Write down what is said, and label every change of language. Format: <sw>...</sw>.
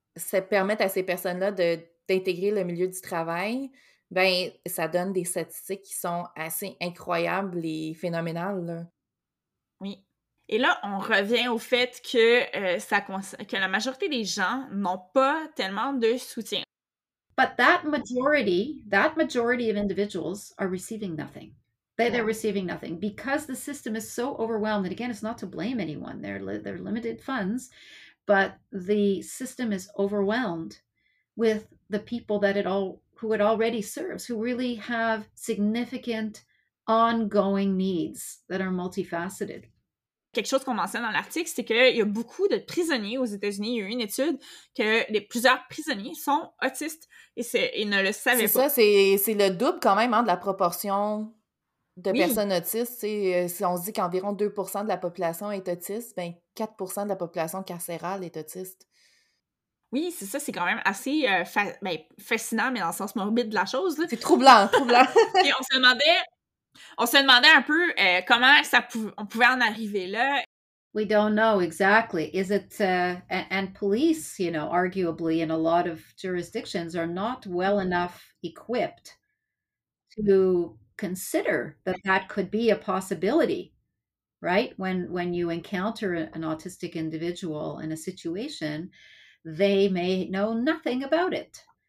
<fr>ça permet à ces personnes-là d'intégrer le milieu du travail, ben ça donne des statistiques qui sont assez incroyables et phénoménales. Là. Oui. Et là, on revient au fait que la majorité des gens n'ont pas tellement de soutien.</fr> <en>But that majority of individuals are receiving nothing. They're receiving nothing because the system is so overwhelmed. And again, it's not to blame anyone. They're limited funds. But the system is overwhelmed with the people who it already serves, who really have significant ongoing needs that are multifaceted.</en> <fr>quelque chose qu'on mentionne dans l'article, c'est qu'il y a beaucoup de prisonniers aux États-Unis. Il y a eu une étude que plusieurs prisonniers sont autistes et ils ne le savaient pas. C'est ça, c'est le double quand même, hein, de la proportion de personnes autistes. Si on se dit qu'environ 2% de la population est autiste, bien 4% de la population carcérale est autiste. Oui, c'est ça, c'est quand même assez fascinant, mais dans le sens morbide de la chose. Là. C'est troublant. Et on se demandait un peu comment on pouvait en arriver là.</fr> <en>We don't know exactly. Is it, and police, you know, arguably in a lot of jurisdictions are not well enough equipped to consider that that could be a possibility, right? When you encounter an autistic individual in a situation, they may know nothing about it.</en>